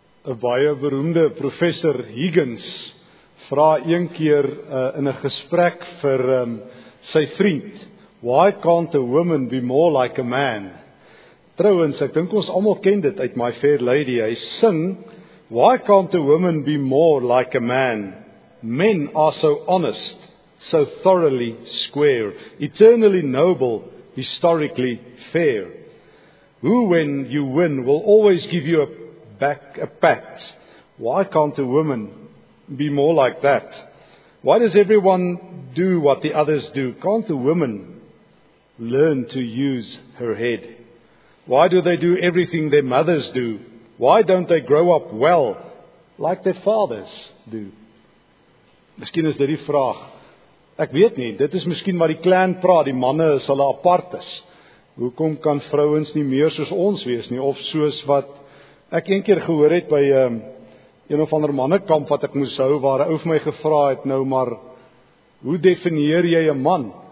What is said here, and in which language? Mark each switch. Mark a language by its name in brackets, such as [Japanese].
[Afrikaans] 'n baie beroemde professor Higgins vra een keer in 'n gesprek vir sy vriend, [English] "Why can't a woman be more like a man?" [Afrikaans] Trouwens, ek dink ons almal ken dit uit My Fair Lady. Hy sing, [English] "Why can't a woman be more like a man? Men are so honest, so thoroughly square, eternally noble, historically fair. Who, when you win, will always give you a pat. Why can't a woman be more like that? Why does everyone do what the others do? Can't a woman learn to use her head? Why do they do everything their mothers do? Why don't they grow up well like their fathers do?" [Afrikaans] Miskien is dit die vraag. Ek weet nie, dit is miskien wat die clan praat, die manne is hulle apart is. Hoekom kan vrouens nie meer soos ons wees nie, of soos wat ek een keer gehoor het by een of ander mannekamp wat ek moes hou, waar hy vir my gevra het, nou maar, hoe definieer jy 'n man?